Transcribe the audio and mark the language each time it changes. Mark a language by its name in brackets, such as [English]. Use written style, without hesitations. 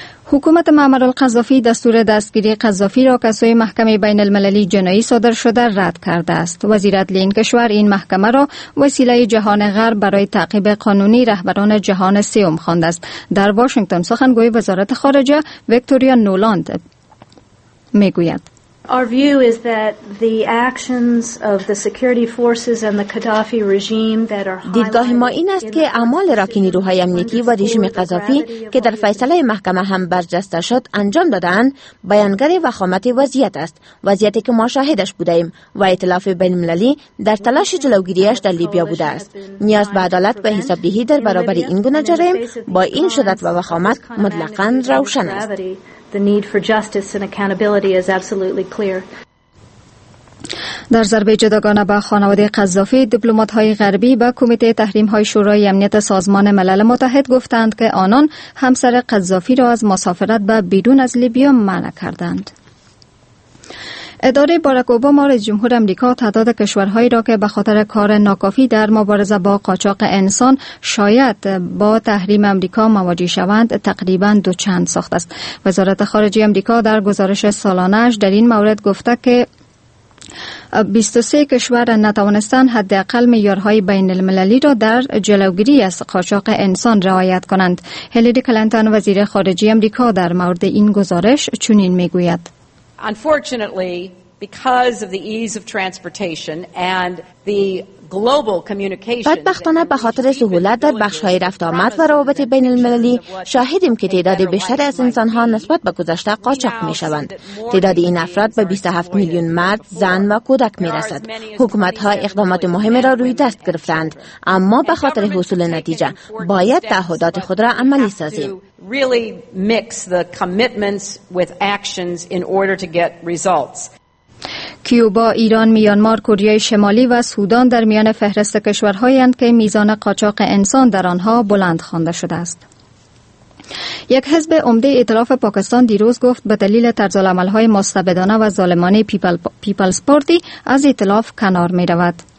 [Persian] حکومت معمر القذافی دستور دستگیری قذافی را که سوی محکمه بین المللی جنایی صادر شده رد کرده است. وزیر عدل این کشور این محکمه را وسیله جهان غرب برای تعقیب قانونی رهبران جهان سیوم خوانده است. در واشنگتن سخنگوی وزارت خارجه ویکتوریا نولاند میگوید: [English] Our view is that the actions of the security forces and the Qaddafi regime that are [Persian] دیدگاه ما این است که اعمال را که نیروهای امنیتی و رژیم قذافی که در فیصله محکمه هم برجسته شد انجام دادند بیانگر وخامت وضعیت است، وضعیتی که ما شاهدش بوده ایم و ائتلاف بین المللی در تلاش جلوگیریش در لیبیا بوده است. نیاز به عدالت و حسابدهی در برابر این گونه جرایم با این شدت و وخامت مطلقاً روشن است. [English] The need for justice and accountability is absolutely clear. [Persian] در ضربه جداگانه به خانواده قذافی، دیپلمات‌های غربی به کمیته تحریم‌های شورای امنیت سازمان ملل متحد گفتند که آنان همسر قذافی را از مسافرت به بیرون از لیبیا منع کردند. اداره باراک اوباما رئیس جمهور آمریکا تعداد کشورهایی را که به خاطر کار ناکافی در مبارزه با قاچاق انسان شاید با تحریم آمریکا مواجه شوند تقریبا دو چند ساخت است. وزارت خارجه آمریکا در گزارش سالانه‌اش در این مورد گفته که 23 کشور نتوانستند حداقل معیارهای بین المللی را در جلوگیری از قاچاق انسان رعایت کنند. هیلری کلینتون وزیر خارجه آمریکا در مورد این گزارش چنین می‌گوید: [English] Unfortunately, because of the ease of transportation and the global communication. [Persian] بدبختانه به خاطر سهولت در بخش‌های رفت آمد و روابط بین المللی شاهدیم که تعداد بیشتری از انسان‌ها نسبت به گذشته قاچاق می‌شوند. تعداد این افراد به 27 میلیون مرد، زن و کودک می‌رسد. حکومت‌ها اقدامات مهمی را روی دست گرفتند، اما به خاطر حصول نتیجه باید تعهدات خود را عملی سازیم. [English] Really mix the commitments with actions in order to get results. [Persian] کیوبا، ایران، میانمار، کره شمالی و سودان در میان فهرست کشورهایند که میزان قاچاق انسان در آنها بلند خوانده شده است. یک حزب عمده ائتلاف پاکستان دیروز گفت به دلیل طرز عمل‌های مستبدانه و ظالمانه پیپلز پارتی از ائتلاف کنار می‌رود.